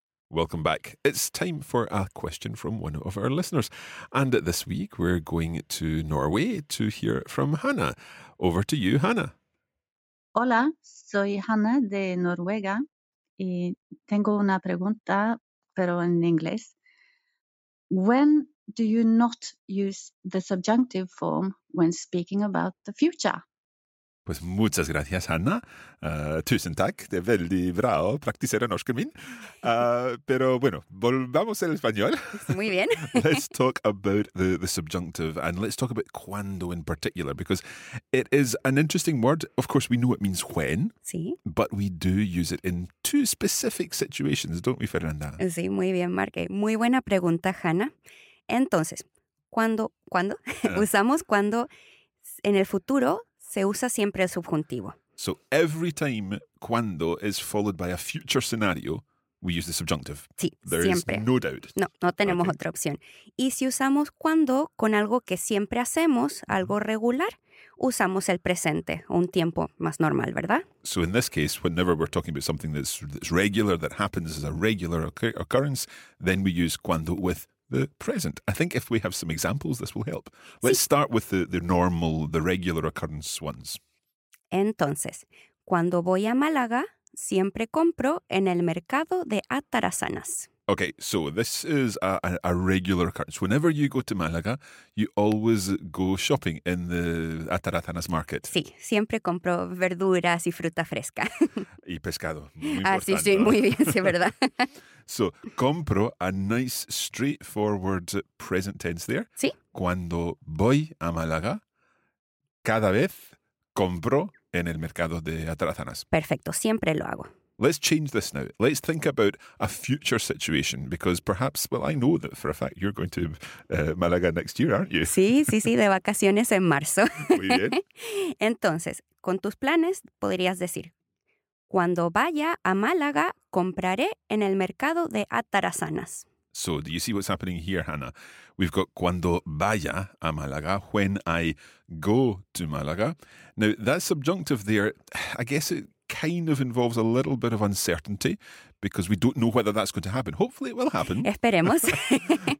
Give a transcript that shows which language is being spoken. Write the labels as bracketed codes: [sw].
[en] Welcome back. It's time for a question from one of our listeners. And this week we're going to Norway to hear from Hannah. Over to you, Hannah. [es] Hola, soy Hannah de Noruega y tengo una pregunta, pero en inglés. [en] When do you not use the subjunctive form when speaking about the future? [es] Pues muchas gracias, Hanna. [no] Tusen takk. Det er veldig bra å praktisere norsken min. [es] Pero bueno, volvamos al español. Muy bien. [en] Let's talk about the subjunctive, and let's talk about cuando in particular, because it is an interesting word. Of course, we know it means when, [es] sí. [en] But we do use it in two specific situations, don't we, Fernanda? [es] Sí, muy bien, Marque. Muy buena pregunta, Hanna. Entonces, ¿cuándo? Usamos cuando en el futuro se usa siempre el subjuntivo. [en] So every time cuando is followed by a future scenario, we use the subjunctive. [es] Sí, [en] there [es] siempre. [en] Is no doubt. [es] No, no tenemos otra opción. Y si usamos cuando con algo que siempre hacemos, algo regular, usamos el presente, un tiempo más normal, ¿verdad? [en] So in this case, whenever we're talking about something that's regular, that happens as a regular occurrence, then we use cuando with the present. I think if we have some examples, this will help. Let's [es] sí. [en] start with the normal, the regular occurrence ones. [es] Entonces, cuando voy a Málaga, siempre compro en el mercado de Atarazanas. [en] Okay, so this is a regular occurrence. Whenever you go to Málaga, you always go shopping in the Atarazanas market. [es] Sí, siempre compro verduras y fruta fresca. Y pescado. Ah, sí, muy bien, sí, verdad. [en] So, compro a nice straightforward present tense there. [es] Sí. Cuando voy a Málaga, cada vez compro en el mercado de Atarazanas. Perfecto, siempre lo hago. [en] Let's change this now. Let's think about a future situation because perhaps, well, I know that for a fact you're going to Málaga next year, aren't you? [es] Sí, sí, sí, de vacaciones en marzo. Muy bien. Entonces, con tus planes podrías decir, cuando vaya a Málaga, compraré en el mercado de Atarazanas. [en] So, do you see what's happening here, Hannah? We've got [es] cuando vaya a Málaga, [en] when I go to Málaga. Now, that subjunctive there, I guess it kind of involves a little bit of uncertainty because we don't know whether that's going to happen. Hopefully it will happen. [es] Esperemos.